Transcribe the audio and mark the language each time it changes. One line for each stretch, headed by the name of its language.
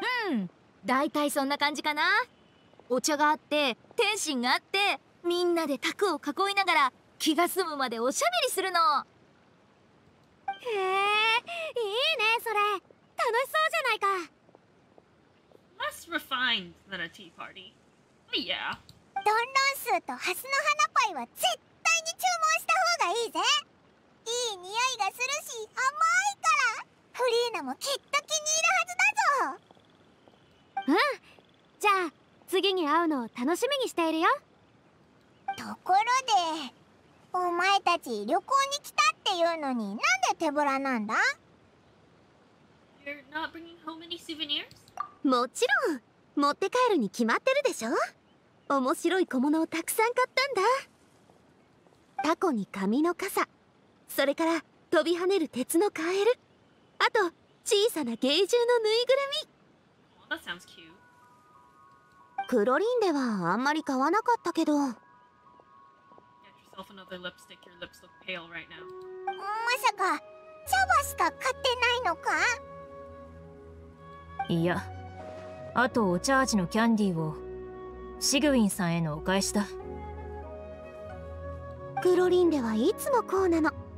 Japanese: うん、大体そんな感じかな。お茶があって、点心があって、みんなで卓を囲いながら気が済むまでおしゃべりするの。へえ、いいねそれ、楽しそうじゃないか。
English: Less refined than a tea party. But yeah.
Japanese: ドンロンスーとハスの花パイは絶対に注文した方がいいぜ。いい匂いがするし甘いから、フリーナもきっと気に入るはずだぞ。うん、じゃあ次に会うのを楽しみにしているよ。ところでお前たち旅行に来たっていうのに、なんで手ぶらなんだ？
English: You're not bringing home any souvenirs?
Japanese: もちろん、持って帰るに決まってるでしょ。面白い小物をたくさん買ったんだ。タコに紙の傘、それから飛び跳ねる鉄のカエル、あと小さな芸獣のぬいぐるみ。
English: Well, that sounds cute.
Japanese: クロリンではあんまり買わなかったけど。
English: Get yourself another lipstick. Your lips look pale right now.
Japanese: まさか茶葉しか買ってないのか？いや、あとお茶味のキャンディーをシグウィンさんへのお返しだ。クロリンではいつもこうなの。